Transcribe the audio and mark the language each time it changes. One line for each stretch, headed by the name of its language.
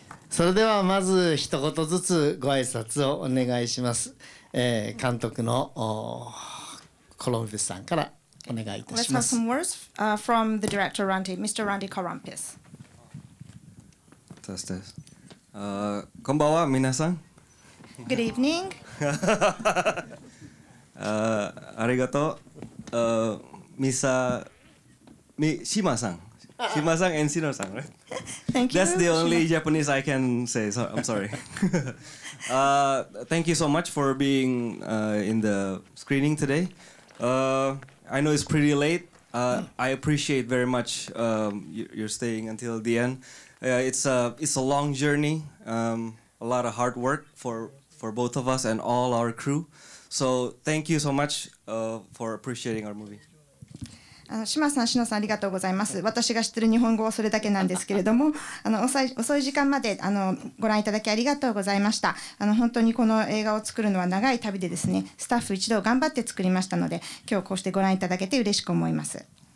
Japanese: それではまず一言ずつご挨拶をお願いします。監督のコロンピスさんからお願いいたします。
English: Let's have some words from the director Randy, Mr. Randy Korompis. Test test.
Japanese: こんばんは、皆さん。
English: Good evening.
Japanese: ありがとう。ミサ、ミシマさん。
English: Shima-san and Sino-san, right? Thank you. That's the only Japanese I can say, so I'm sorry. thank you so much for being in the screening today. I know it's pretty late. I appreciate very much you're staying until the end. It's a long journey, a lot of hard work for both of us and all our crew. So thank you so much for appreciating our movie.
Japanese: 島さん、篠さん、ありがとうございます。私が知ってる日本語はそれだけなんですけれども、遅い時間までご覧いただきありがとうございました。本当にこの映画を作るのは長い旅でですね、スタッフ一同頑張って作りましたので、今日こうしてご覧いただけて嬉しく思います。